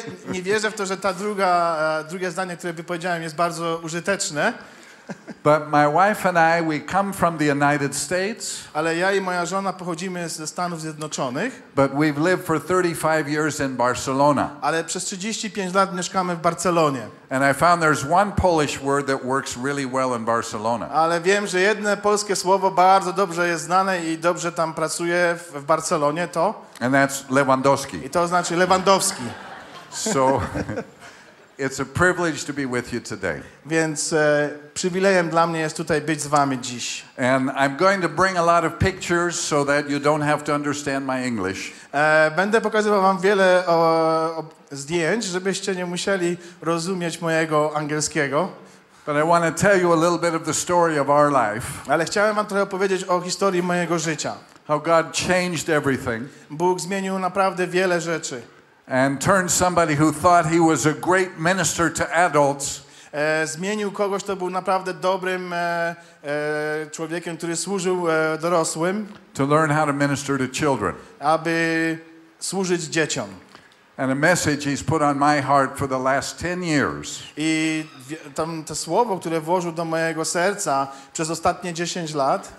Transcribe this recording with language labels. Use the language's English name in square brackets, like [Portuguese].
[Polish] Nie wierzę w to, że ta drugie zdanie, które wypowiedziałem, jest bardzo użyteczne. [English] But my wife and I, we come from the United States. [Polish] Ale ja i moja żona pochodzimy ze Stanów Zjednoczonych. [English] But we've lived for 35 years in Barcelona. [Polish] Ale przez 35 lat mieszkamy w Barcelonie. [English] And I found there's one Polish word that works really well in Barcelona. [Polish] Ale wiem, że jedno polskie słowo bardzo dobrze jest znane i dobrze tam pracuje w Barcelonie, to... [English] And that's Lewandowski. [Polish] I to znaczy Lewandowski. [English] So... It's a privilege to be with you today. [Polish] Więc przywilejem dla mnie jest tutaj być z wami dziś. [English] And I'm going to bring a lot of pictures so that you don't have to understand my English. [Polish] Będę pokazywał wam wiele zdjęć, żebyście nie musieli rozumieć mojego angielskiego. [English] But I want to tell you a little bit of the story of our life. [Polish] Ale chciałem wam trochę powiedzieć o historii mojego życia. [English] How God changed everything. [Polish] Bóg zmienił naprawdę wiele rzeczy. [English] And turned somebody who thought he was a great minister to adults. [Polish] Zmienił kogoś, kto był naprawdę dobrym człowiekiem, który służył dorosłym. [English] To learn how to minister to children. [Polish] Aby służyć dzieciom. [English] And a message he's put on my heart for the last 10 years. [Polish] I to słowo, które włożył do mojego serca przez ostatnie 10 lat.